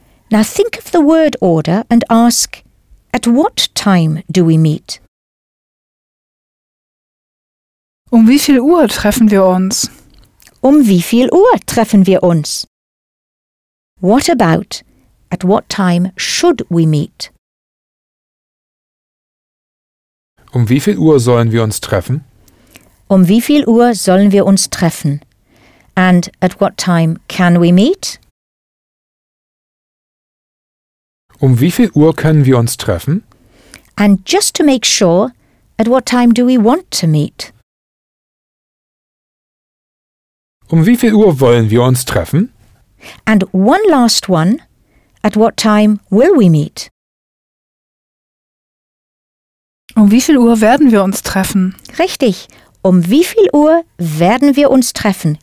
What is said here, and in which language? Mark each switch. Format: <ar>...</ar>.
<en>Now think of the word order and ask, at what time do we meet?</en> <de>Um wie viel Uhr treffen wir uns? Um wie viel Uhr treffen wir uns?</de> <en>What about, at what time should we meet?</en> <de>Um wie viel Uhr sollen wir uns treffen? Um wie viel Uhr sollen wir uns treffen?</de> <en>And at what time can we meet?</en> <de>Um wie viel Uhr können wir uns treffen?</de> <en>And just to make sure, at what time do we want to meet?</en> <de>Um wie viel Uhr wollen wir uns treffen?</de> <en>And one last one, at what time will we meet?</en> <de>Um wie viel Uhr werden wir uns treffen? Richtig. Um wie viel Uhr werden wir uns treffen?</de>